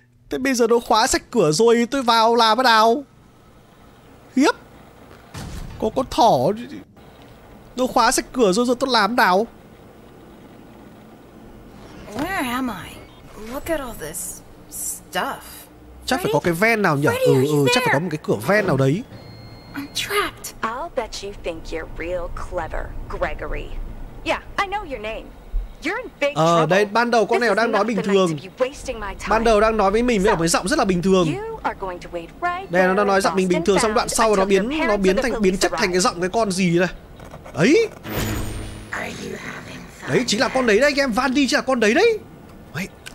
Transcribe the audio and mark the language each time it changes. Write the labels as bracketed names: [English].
[Vietnamese] Thế bây giờ nó khóa sạch cửa rồi, tôi vào làm nào? Hiếp. Có con thỏ. Nó khóa sạch cửa rồi, tôi làm nào? [English] Where am I? Look at all this stuff. [Vietnamese] Chắc phải có cái ven nào nhỉ? Chắc phải có một cái cửa ven nào đấy. [English] I'm trapped. I'll bet you think you're real clever, Gregory. Yeah, I know your name. You're in big trouble. [Vietnamese] Đây ban đầu con này đang nói bình thường. Ban đầu đang nói với mình với một giọng rất là bình thường. Đây nó đang nói giọng mình bình thường, xong đoạn sau nó biến chất thành cái giọng cái con gì đây? Ấy. Đấy chính là con đấy đấy anh em, Vandy chính là con đấy đấy. Ấy.